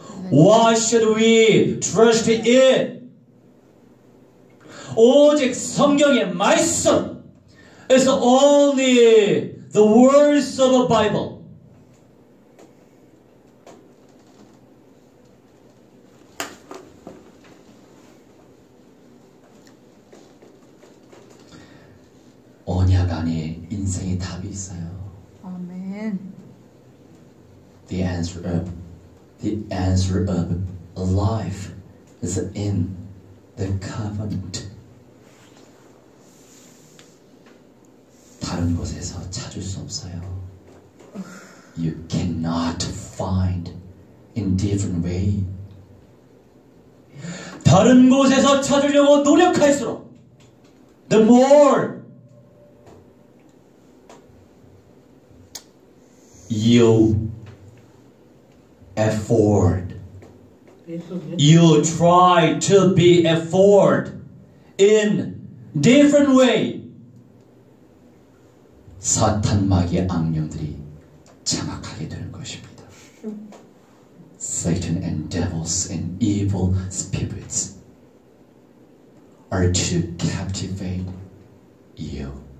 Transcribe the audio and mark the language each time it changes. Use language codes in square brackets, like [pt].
[en] What should we trust in? [ko] 오직 성경의 말씀 [en] is only the words of the Bible. [ko] 언약 안에 인생의 답이 있어요. 아멘. [en] The answer of life is in the covenant. [ko] 다른 곳에서 찾을 수 없어요. [en] You cannot find in different way. [ko] 다른 곳에서 찾으려고 노력할수록 [en] the more you effort. You try to be effort in different way. [ko] 사탄 마귀의 악령들이 장악하게 되는 것입니다. [en] Satan and devils and evil spirits are to captivate you.